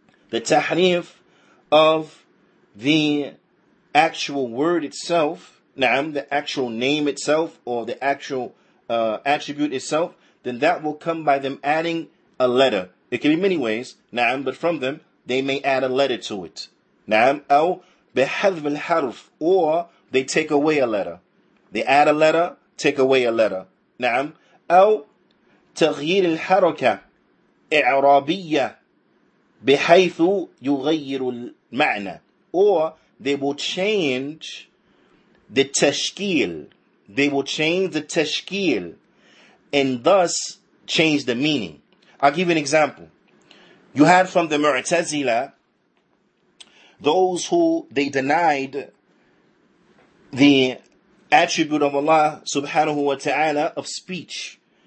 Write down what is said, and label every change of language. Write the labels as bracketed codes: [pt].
[en] The tahrif of the actual word itself, na'am, the actual name itself, or the actual attribute itself, then that will come by them adding a letter. It can be many ways, na'am, but from them, they may add a letter to it. Na'am, [ar] أو بحذف الحرف, [en] or they take away a letter. They add a letter, take away a letter. [ar] Na'am, أو تغيير الحركة إعرابية بحيث يغير المعنى, [en] or they will change the tashkil. They will change the tashkil and thus change the meaning. I'll give you an example. You had from the Mu'tazila those who they denied the attribute of Allah subhanahu wa ta'ala of speech.